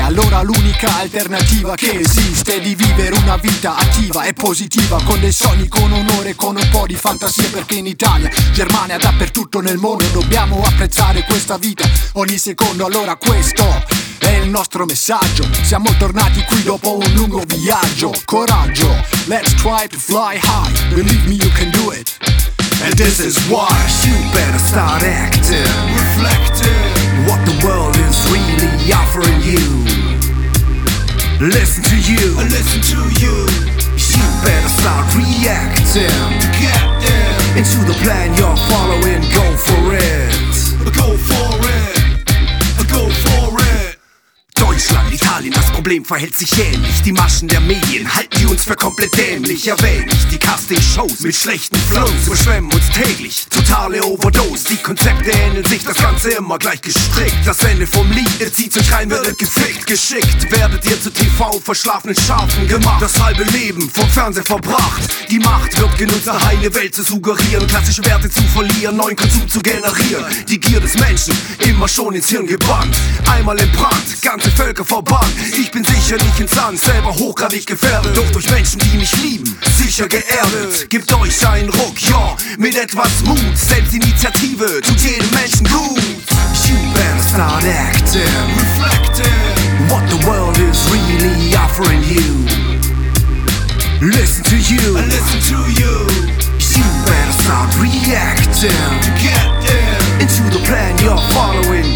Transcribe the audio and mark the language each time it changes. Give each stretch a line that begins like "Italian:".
Italian: Allora l'unica alternativa che esiste è di vivere una vita attiva e positiva, con dei sogni, con onore, con un po' di fantasia, perché in Italia, Germania, dappertutto nel mondo dobbiamo apprezzare questa vita ogni secondo. Allora questo è il nostro messaggio, siamo tornati qui dopo un lungo viaggio.
English: Coraggio, let's try to fly high, believe me you can do it. And this is why superstar acting, reflecting what the world is really offering you. Listen to you, I listen to you. You better start reacting to get there, into the plan you're following. Go for it, go for it, go for it.
German: Deutschland, Italien, das Problem verhält sich ähnlich. Die Maschen der Medien halten die uns für komplett dämlich. Erwähne ich die Casting-Shows mit schlechten Flows, überschwemmen uns täglich, totale Overdose. Die Konzepte ähneln sich, das Ganze immer gleich gestrickt. Das Ende vom Lied, ihr zieht euch rein, werdet gefickt. Geschickt werdet ihr zu TV-verschlafenen Schafen gemacht. Das halbe Leben vom Fernseher verbracht. Die Macht wird genutzt, eine heile Welt zu suggerieren, klassische Werte zu verlieren, neuen Konsum zu generieren. Die Gier des Menschen, immer schon ins Hirn gebrannt, einmal entbrannt, ganz Völker verbannt. Ich bin sicher nicht ins Land, selber hochgradig gefährdet. Doch durch Menschen, die mich lieben, sicher geerdet. Gebt euch einen Ruck, ja, mit etwas Mut. Selbstinitiative tut jedem Menschen gut.
English: You better start acting, reflecting what the world is really offering you. Listen to you, I listen to you. You better start reacting to get there, into the plan you're following.